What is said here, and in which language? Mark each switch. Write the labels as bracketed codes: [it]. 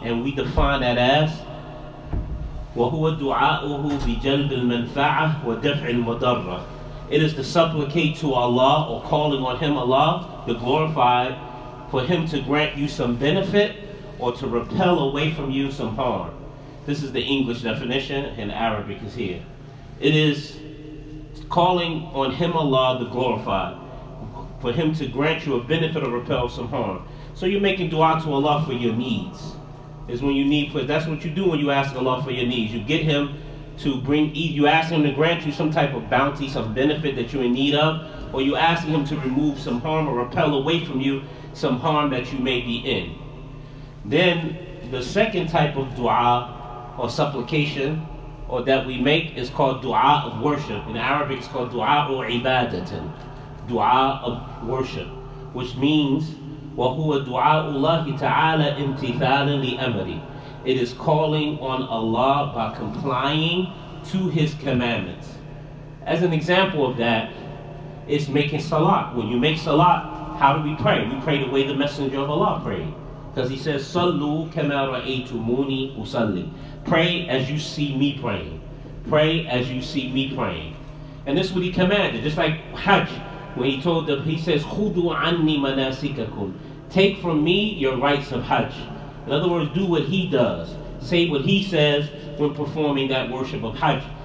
[en] And we define that as [ar] وَهُوَ دُعَاؤُهُ بِجَلْبِ الْمَنْفَعَةِ وَدَفْعِ الْمُضَرَّةِ. [en] It is to supplicate to Allah, or calling on Him, Allah, the glorified, for Him to grant you some benefit or to repel away from you some harm. This is the English definition, and Arabic is here. It is calling on Him, Allah, the glorified, for Him to grant you a benefit or repel some harm. So you're making dua to Allah for your needs. Is when you need, that's what you do when you ask Allah for your needs. You get Him to bring, you ask Him to grant you some type of bounty, some benefit that you're in need of, or you ask Him to remove some harm or repel away from you some harm that you may be in. Then the second type of dua or supplication or that we make is called dua of worship. In Arabic, it's called dua u ibadatin, dua of worship, which means [ar] وَهُوَ دُعَاءُ اللَّهِ تَعَالَى امْتِثَالًا لِأَمْرِ. [en] It is calling on Allah by complying to His commandments. As an example of that, it's making salat. When you make salat, how do we pray? We pray the way the Messenger of Allah prayed. Because he says, [ar] صَلُّوا كَمَا رَأَيْتُمُونِي أُصَلِّي. [en] Pray as you see me praying. Pray as you see me praying. And this is what he commanded, just like Hajj. When he told them, he says, [ar] خُدُوا عَنِّي مَنَاسِكَكُمْ. [en] Take from me your rites of Hajj. In other words, do what he does. Say what he says when performing that worship of Hajj.